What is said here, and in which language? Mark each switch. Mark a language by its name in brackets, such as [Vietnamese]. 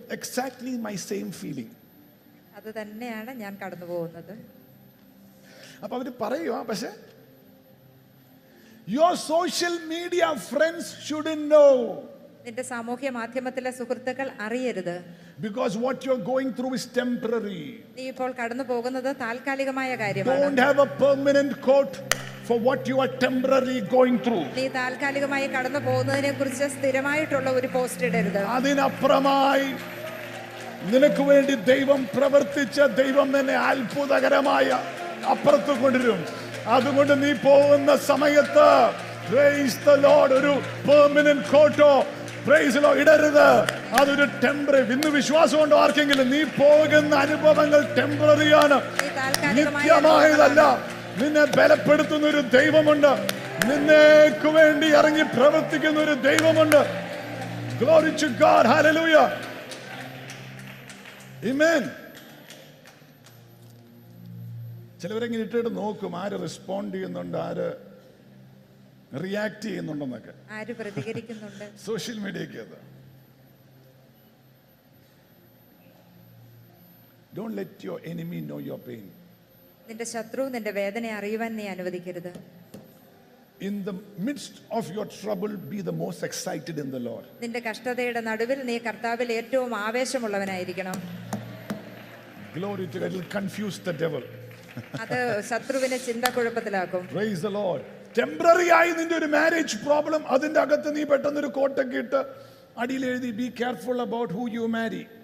[English] Exactly my same feeling. [Malayalam] അത് തന്നെയാണ് ഞാൻ കടന്നു പോകുന്നത്. അപ്പൊ അവര് പറയുക, പക്ഷെ [English] Your social media friends should know. [Malayalam] നിന്റെ സാമൂഹ്യ മാധ്യമത്തിലെ സുഹൃത്തുക്കൾ അറിയരുത്. [English] Because what you are going through is temporary. [Malayalam] നീ ഇപ്പോൾ കടന്നു പോകുന്നത് താൽക്കാലികമായ കാര്യമാണ്. [English] Don't have a permanent coat for what you are temporarily going through. [Malayalam] നീ താൽക്കാലികമായി കടന്നു പോകുന്നതിനെക്കുറിച്ച് സ്ഥിരമായിട്ടുള്ള ഒരു പോസ്റ്റ് ഇടരുത്. അതിനപ്രമായി നിനക്ക് വേണ്ടി ദൈവം പ്രവർത്തിച്ച ദൈവം തന്നെ അത്ഭുതകരമായ അപ്പുറത്ത് കൊണ്ടുവരും. അതുകൊണ്ട് നീ പോകുന്ന സമയത്ത് [English] praise the Lord, [Malayalam] ഒരു permanent coat [English] praise Lord [Malayalam] ഇടരുത്. അതൊരു ടെമ്പററി. ഇന്ന് വിശ്വാസം ഉണ്ടോ ആർക്കെങ്കിലും? നീ പോകുന്ന അനുഭവങ്ങൾ ടെമ്പററിയാണ്, നിത്യമായതല്ല. നിന്നെ ബലപ്പെടുത്തുന്ന ഒരു ദൈവമുണ്ട്, നിന്നേക്ക് വേണ്ടി ഇറങ്ങി പ്രവർത്തിക്കുന്ന ഒരു ദൈവമുണ്ട്. [English] Glory to God. Hallelujah. Amen. [Malayalam] ചിലവരെങ്ങനെ ഇട്ടിട്ട് നോക്കും ആര് റെസ്പോണ്ട് ചെയ്യുന്നുണ്ട്, ആര് റിയാക്ട് ചെയ്യുന്നുണ്ടെന്നൊക്കെ, ആര് പ്രതികരിക്കുന്നുണ്ട് social മീഡിയയ്ക്ക്. [English] Don't let your enemy know your pain. [Malayalam] നിന്റെ ശത്രു നിന്റെ വേദന അറിയുവാൻ നീ അനുവദിക്കരുത്. [English] In the midst of your trouble, be the most excited in the Lord. [Malayalam] നിന്റെ കഷ്ടതയുടെ നടുവിൽ നീ കർത്താവിൽ ഏറ്റവും ആവേശമുള്ളവനായിരിക്കണം. [English] Glory to God. It will confuse the devil. [Malayalam] അത് ശത്രുവിനെ ചിന്താ കുഴപ്പത്തിലാക്കും. [English] Praise the Lord. [Malayalam] Temporary ആയി നിന്റെ ഒരു മാരേജ് പ്രോബ്ലം, അതിന്റെ അകത്ത് നീ പെട്ടെന്ന് ഒരു കോട്ടൊക്കെ ഇട്ട് അടിയിൽ എഴുതി [English] Be careful about who you marry.